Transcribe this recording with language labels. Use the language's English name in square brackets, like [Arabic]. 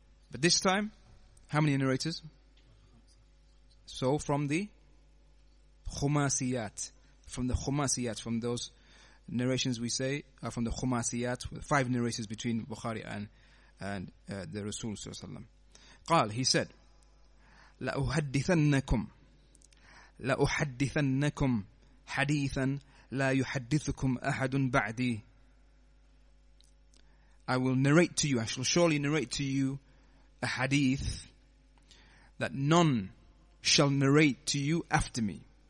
[English] But this time, how many narrators? So from the Khumasiyat. From the Khumasiyat, from those narrations we say, are from the Khumasiyat, five narrators between Bukhari and the Rasul Sallallahu Alaihi Wasallam. [Arabic] قال, [English] he said, [Arabic] لأحدثنكم حديثا لا يحدثكم أحد بعدي. [English] I shall surely narrate to you a hadith that none shall narrate to you after me.